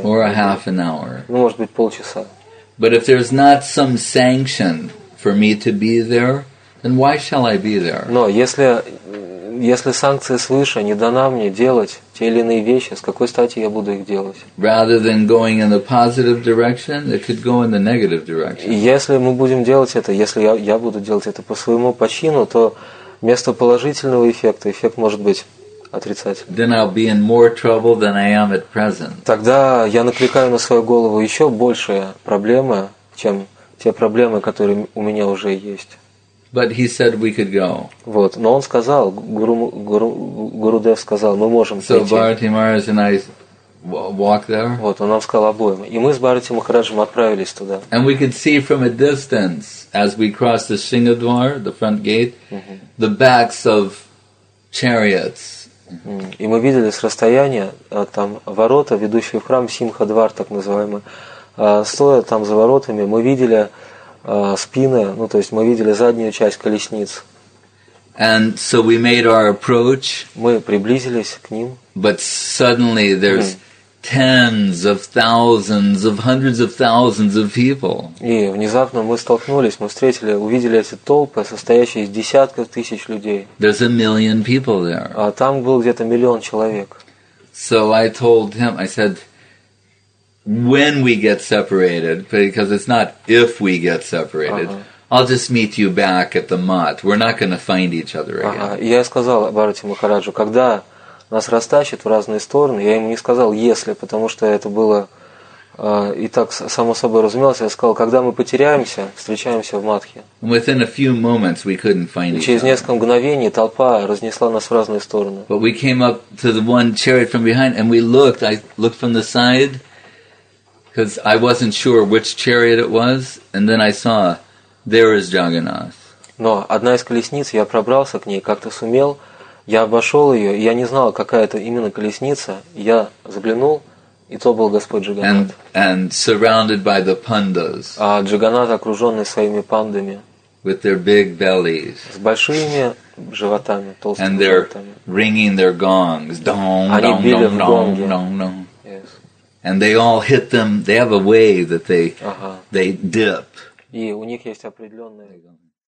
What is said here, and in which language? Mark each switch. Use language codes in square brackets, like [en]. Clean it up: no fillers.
[en] Or a half an hour. [ru] Ну, может быть, полчаса. [en] But if there's not some sanction for me to be there, then why shall I be there? [ru] Но если если санкции свыше не дана мне делать те или иные вещи, с какой стати я буду их делать? [en] Rather than going in the positive direction, it could go in the negative direction. [ru] И если мы будем делать это, если я буду делать это по своему почину, то вместо положительного эффекта эффект может быть отрицательным. [en] Then I'll be in more trouble than I am at present. [ru] Тогда я накликаю на свою голову еще большие проблемы, чем те проблемы, которые у меня уже есть. [en] But he said we could go. [ru] Вот, но он сказал, Гурудев сказал, мы можем прийти. [en] So Bharati Maharaj and I walked there. [ru] Вот, он нам сказал обоим, и мы с Бхарати Махараджем отправились туда. [en] And we could see from a distance as we crossed the Singhadwar, the front gate, the backs of chariots. [ru] И мы видели с расстояния там ворота, ведущие в храм Симхадвар, так называемый. Стоя там за воротами, мы видели спины, ну то есть мы видели заднюю часть колесниц. [en] And so we made our approach. [ru] Мы приблизились к ним. [en] But suddenly there's tens of thousands of hundreds of thousands of people. [ru] И внезапно мы столкнулись, мы встретили, увидели эти толпы, состоящие из десятков тысяч людей. [en] There's a million people there. [ru] А там был где-то миллион человек. [en] So I told him, I said, when we get separated, because it's not if we get separated, I'll just meet you back at the mat. We're not going to find each other again. [ru] Я сказал Бхарати Махараджу, когда нас растащат в разные стороны, я ему не сказал если, потому что это было и так само собой разумелось. Я сказал, когда мы потеряемся, встречаемся в матхе. [en] Within a few moments we couldn't find each other. [ru] Через несколько мгновений толпа разнесла нас в разные стороны. [en] But we came up to the one chariot from behind and we looked. I looked from the side. Because I wasn't sure which chariot it was, and then I saw, there is Jagannath. [ru] Но одна из колесниц, я пробрался к ней, как-то сумел, я обошел ее, и я не знал, какая это именно колесница. Я заглянул, и то был Господь Джаганнат. [en] And surrounded by the pandas. [ru] А Джаганнат окруженный своими пандами. [en] With their big bellies. [ru] С большими животами, толстыми. [en] And they're ringing their gongs. Dong, [ru] они dong, били dong, в гонги. Dong, dong, dong. [en] And they all hit them, they have a way that they dip. [ru] И у них есть определённые